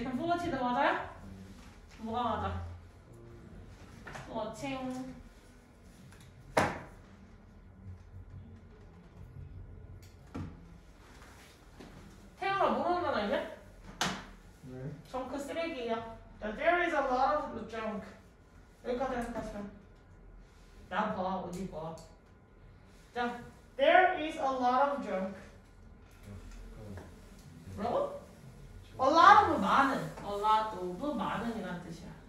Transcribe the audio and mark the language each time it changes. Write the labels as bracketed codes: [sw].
[ko] 그럼 플러티드 맞아요? 뭐가 맞아? 워칭. 태영아, 뭐라는 건 아니냐? 네. 정크 쓰레기야. [en] There is a lot of the junk. [ko] 여기까지 해서 나 봐, 어디 봐. [en] 자, There is a lot of junk. [ko] 뭐라고? [en] A lot of [ko] 많은. [en] A lot of [ko] 많은 이란 뜻이야.